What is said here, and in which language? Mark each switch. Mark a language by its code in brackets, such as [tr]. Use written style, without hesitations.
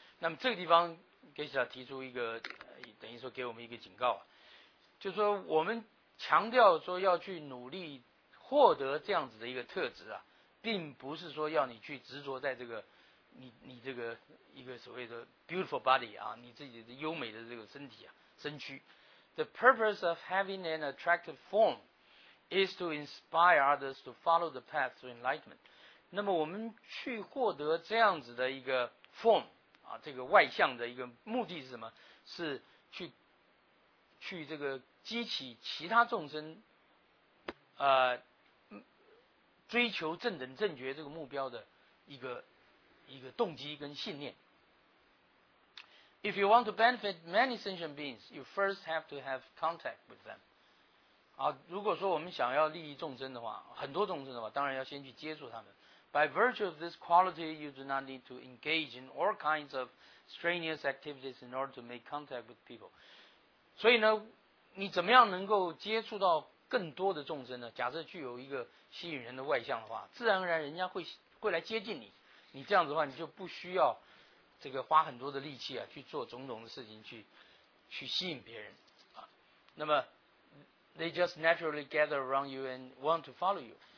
[zh] 那么这个地方给小提出一个、等于说给我们一个警告啊。就说我们强调说要去努力获得这样子的一个特质啊，并不是说要你去执着在这个你这个一个所谓的 [en] beautiful body [zh] 啊，你自己的优美的这个身体啊身躯。 [en] The purpose of having an attractive form is to inspire others to follow the path to enlightenment. [zh] 那么我们去获得这样子的一个 form 啊，这个外向的一个目的是什么？是去这个激起其他众生追求正等正觉这个目标的一个动机跟信念。 [en] If you want to benefit many sentient beings, you first have to have contact with them. [zh] 啊，如果说我们想要利益众生的话，很多众生的话，当然要先去接触他们。 [en] By virtue of this quality, you do not need to engage in all kinds of strenuous activities in order to make contact with people. [zh] 所以呢，你怎么样能够接触到更多的众生呢？假设具有一个吸引人的外向的话，自然而然人家会来接近你。你这样子的话，你就不需要这个花很多的力气啊，去做种种的事情去吸引别人啊。那么 [en] ，they just naturally gather around you and want to follow you.